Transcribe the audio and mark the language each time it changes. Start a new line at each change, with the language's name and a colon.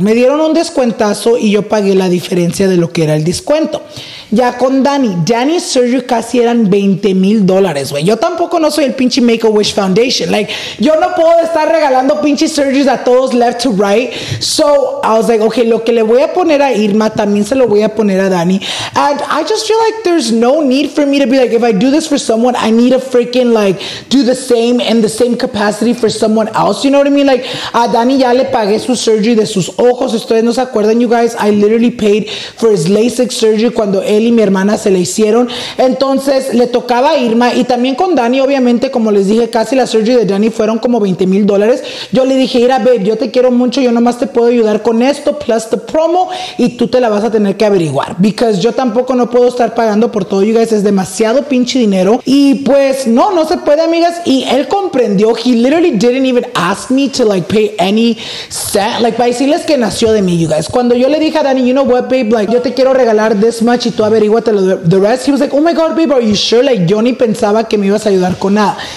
Spanish: Me dieron un descuentazo y yo pagué la diferencia de lo que era el descuento. Ya con Dani,
English: Dani's surgery
Spanish: casi eran $20,000, güey. Yo tampoco no soy el pinche Make-A-Wish Foundation. Like, yo no puedo estar regalando pinche surgeries a todos
English: left to right. So, I was like, okay,
Spanish: lo que le voy a poner a Irma, también se lo voy a poner a Dani. And I just feel like there's no need for me to be like, if I do this for someone, I need to freaking like do the same in the same capacity for someone else, you know what I mean? Like, a Dani ya le pagué su surgery de sus ojos. Ustedes no se acuerdan,
English: you guys, I literally paid for his LASIK surgery
Spanish: cuando él y mi hermana se le hicieron. Entonces le tocaba a Irma, y también con Dani, obviamente, como les dije, casi la surgery de Dani fueron como $20,000. Yo le dije, mira, babe, yo te quiero mucho, yo nomás te puedo ayudar con esto
English: plus the promo,
Spanish: y tú te la vas a tener que averiguar,
English: because
Spanish: yo tampoco no puedo estar pagando por todo,
English: you guys,
Spanish: es demasiado pinche dinero. Y pues no, no se puede, amigas. Y él comprendió.
English: He literally didn't even ask me to like pay any cent, like,
Spanish: para decirles que nació de mí,
English: you guys.
Spanish: Cuando yo le dije a Dani,
English: you know what, babe, like,
Spanish: yo te quiero regalar
English: this much
Spanish: y tú averíguatelo
English: the rest, he was like, oh my god, babe, are you sure?
Spanish: Like, yo ni pensaba que me ibas a ayudar con nada.